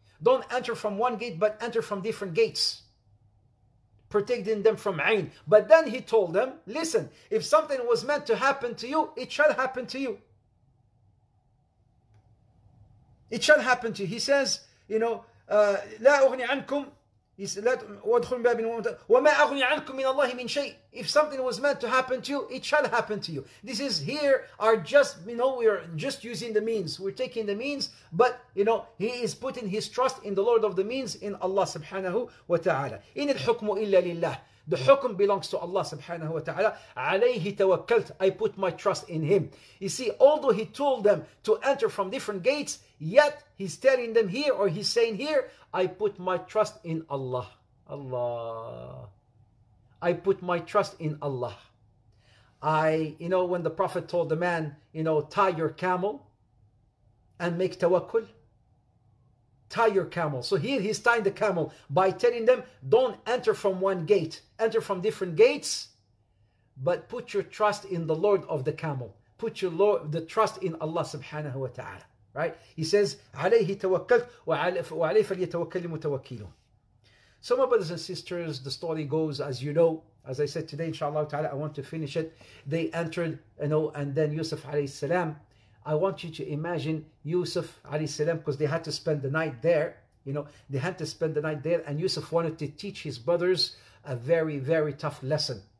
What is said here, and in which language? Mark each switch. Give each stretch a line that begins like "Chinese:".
English: Don't enter from one gate, but enter from different gates, protecting them from Ayn. But then he told them, listen, if something was meant to happen to you, it shall happen to you. It shall happen to you. He says, you know,
Arabic: لا أغني عنكم.
English: He said,
Arabic: وَمَا أَغْنِي عَنْكُمْ مِنَ اللَّهِ مِنْ شَيْءٍ.
English: If something was meant to happen to you, it shall happen to you. This is here, are just, you know, we are just using the means. We're taking the means, but, you know, he is putting his trust in the Lord of the means, in Allah subhanahu wa ta'ala.
Arabic: إِنِ الْحُكْمُ إِلَّا لِلَّهِ.
English: The hukum belongs to Allah subhanahu wa ta'ala.
Arabic: عَلَيْهِ تَوَكَّلْتُ.
English: I put my trust in him. You see, although he told them to enter from different gates, yet he's telling them here, or he's saying here, I put my trust in Allah. Allah. I put my trust in Allah. I, you know, when the Prophet told the man, you know, tie your camel and make tawakkul. Tie your camel. So here he's tying the camel by telling them, don't enter from one gate. Enter from different gates, but put your trust in the Lord of the camel. Put your Lord, the trust in Allah subhanahu wa ta'ala. Right? He says,
Arabic: عَلَيْهِ تَوَكَّلْتُ وَعَلَيْهِ فَلْيَتَوَكَّلْ لِمُتَوَكِّلُ.
English: So my brothers and sisters, the story goes, as you know, as I said today, inshallah ta'ala, I want to finish it. They entered, you know, and then Yusuf alayhi salam, I want you to imagine Yusuf alayhi salam, because they had to spend the night there, you know, they had to spend the night there, and Yusuf wanted to teach his brothers a very, very tough lesson.